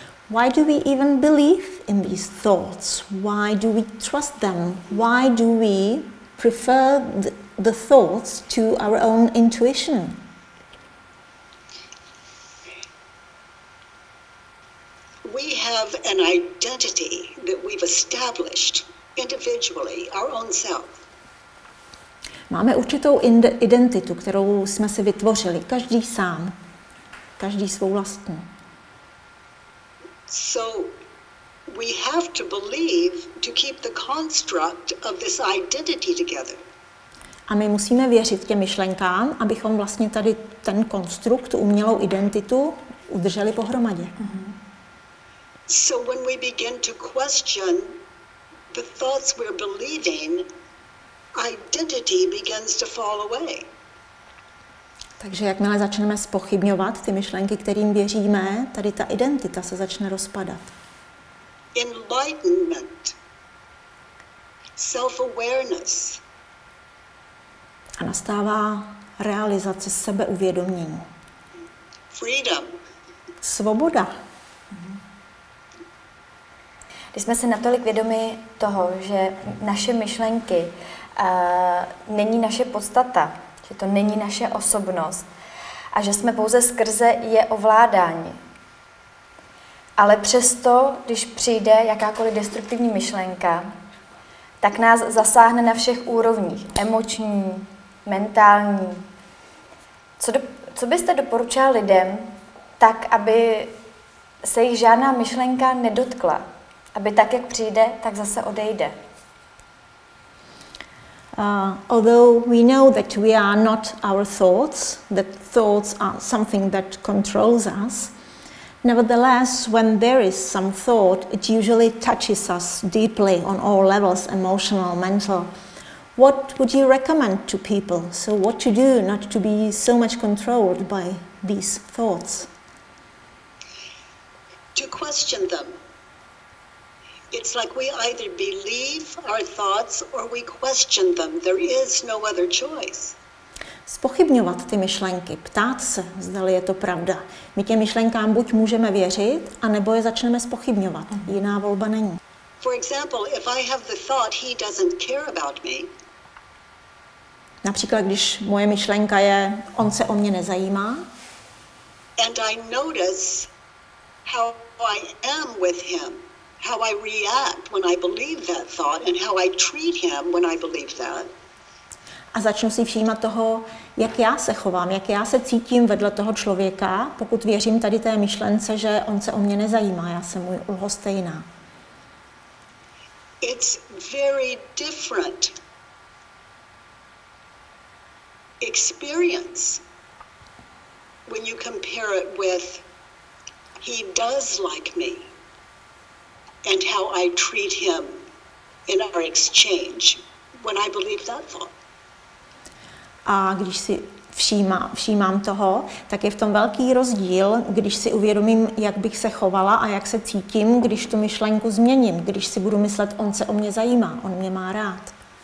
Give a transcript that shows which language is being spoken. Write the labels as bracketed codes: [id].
[en] Why do we even believe in these thoughts? Why do we trust them? Why do we prefer the thoughts to our own intuition? We have an identity that we've established individually, our own self. [cs] Máme určitou identitu, kterou jsme si vytvořili, každý sám, každý svou vlastní. [en] So we have to believe to keep the construct of this identity together. [cs] A my musíme věřit těm myšlenkám, abychom vlastně tady ten konstrukt, tu umělou identitu udrželi pohromadě. [en] So when we begin to question the thoughts we're believing, identity begins to fall away. [cs] Takže jakmile začneme spochybňovat ty myšlenky, kterým věříme, tady ta identita se začne rozpadat. [en] Enlightenment. Self-awareness. [cs] A nastává realizace sebeuvědomění. [en] Freedom. [cs] Svoboda. Když jsme se natolik vědomi toho, že naše myšlenky není naše podstata, že to není naše osobnost a že jsme pouze skrze je ovládáni. Ale přesto, když přijde jakákoliv destruktivní myšlenka, tak nás zasáhne na všech úrovních, emoční, mentální. Co byste doporučila lidem tak, aby se jich žádná myšlenka nedotkla? Aby tak, jak přijde, tak zase odejde? [en] Although we know that we are not our thoughts, that thoughts are something that controls us, Nevertheless, when there is some thought, it usually touches us deeply on all levels, emotional, mental. What would you recommend to people? So what to do not to be so much controlled by these thoughts? To question them. It's like we either believe our thoughts or we question them. There is no other choice. [cs] Spochybňovat ty myšlenky, ptát se, zdali je to pravda. My těm myšlenkám buď můžeme věřit, anebo je začneme spochybňovat. Jiná volba není. [en] For example, if I have the thought he doesn't care about me. [cs] Například, když moje myšlenka je, on se o mě nezajímá. [en] And I notice how I am with him, how I react when I believe that thought and how I treat him when I believe that. [cs] A začnu si všímat toho, jak já se chovám, jak já se cítím vedle toho člověka, pokud věřím tady té myšlence, že on se o mě nezajímá, já jsem mu lhostejná. [en] It's very different experience when you compare it with he does like me and how I treat him in our exchange when I believe that thought. [cs] A když si všímám toho, tak je v tom velký rozdíl, když si uvědomím, jak bych se chovala a jak se cítím, když tu myšlenku změním, když si budu myslet, on se o mě zajímá, on mě má rád.